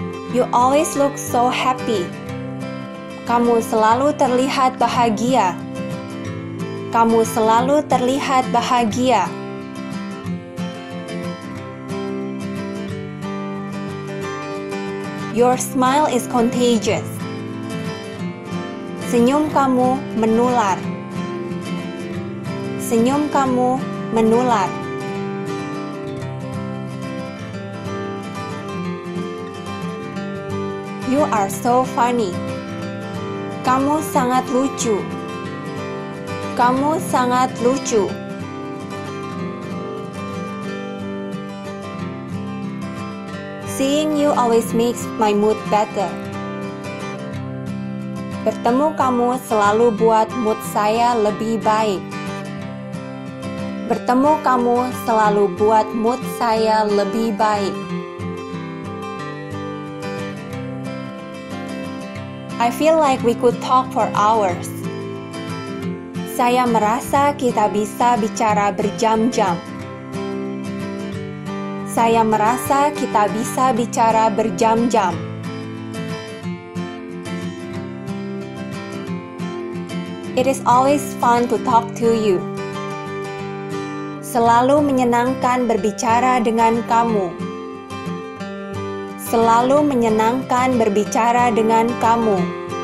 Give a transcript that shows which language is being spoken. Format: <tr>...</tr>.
<en>You always look so happy.</en> <id>Kamu selalu terlihat bahagia. Kamu selalu terlihat bahagia.</id> <en>Your smile is contagious.</en> <id>Senyum kamu menular. Senyum kamu menular.</id> <en>You are so funny.</en> <id>Kamu sangat lucu. Kamu sangat lucu.</id> <en>Seeing you always makes my mood better.</en> <id>Bertemu kamu selalu buat mood saya lebih baik. Bertemu kamu selalu buat mood saya lebih baik.</id> <en>I feel like we could talk for hours.</en> <id>Saya merasa kita bisa bicara berjam-jam. Saya merasa kita bisa bicara berjam-jam.</id> <en>It is always fun to talk to you.</en> <id>Selalu menyenangkan berbicara dengan kamu. Selalu menyenangkan berbicara dengan kamu.</id>